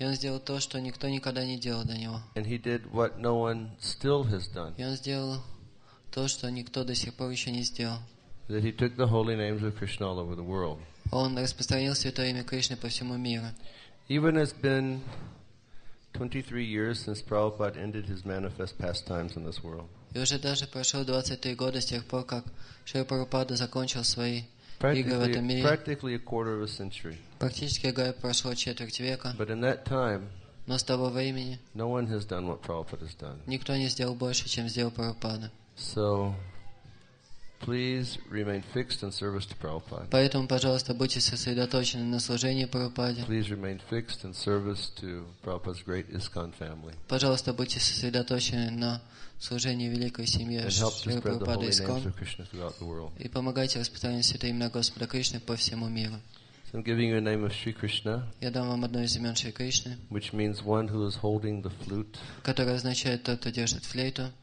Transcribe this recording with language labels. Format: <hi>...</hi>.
<ru>И он сделал то, что никто никогда не делал до него.</ru> <en>And he did what no one still has done.</en> <ru>И он сделал то, что никто до сих пор еще не сделал.</ru> <en>That he took the holy names of Krishna all over the world.</en> <ru>Он распространил святое имя Кришны по всему миру.</ru> <en>Even has been 23 years since Prabhupada ended his manifest pastimes in this world.</en> <ru>И уже даже прошло 23 года с тех пор, как Шри Прабхупада закончил свои игры в этом мире.</ru> <en>Practically a quarter of a century.</en> <ru>Практически прошло четверть века.</ru> <en>But in that time,</en> <ru>но с того времени,</ru> <en>no one has done what Prabhupada has done.</en> <ru>Никто не сделал больше, чем сделал Прабхупада.</ru> <en>So, please remain fixed in service to Prabhupada.</en> <ru>Поэтому, пожалуйста, будьте сосредоточены на служении Прабхупаде.</ru> <en>Please remain fixed in service to Prabhupada's great ISKCON family.</en> <ru>Пожалуйста, будьте сосредоточены на служении великой семьи Прабхупады ИСККОН. И помогайте распространению святого имени Господа Кришны по всему миру.</ru> <en>So I'm giving you a name of Sri Krishna.</en> <ru>Я дам вам одно из имен Шри Кришны.</ru> <en>Which means one who is holding the flute.</en> <ru>Которое означает тот, кто держит флейту.</ru>